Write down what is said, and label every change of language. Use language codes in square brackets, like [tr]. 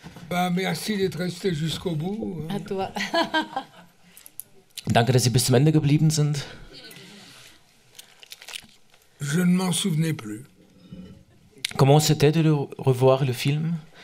[fr] Merci d'être resté jusqu'au bout. À toi. [de] Danke, dass Sie bis zum Ende geblieben sind. [fr] Je ne m'en souvenais plus. Comment c'était de revoir le film?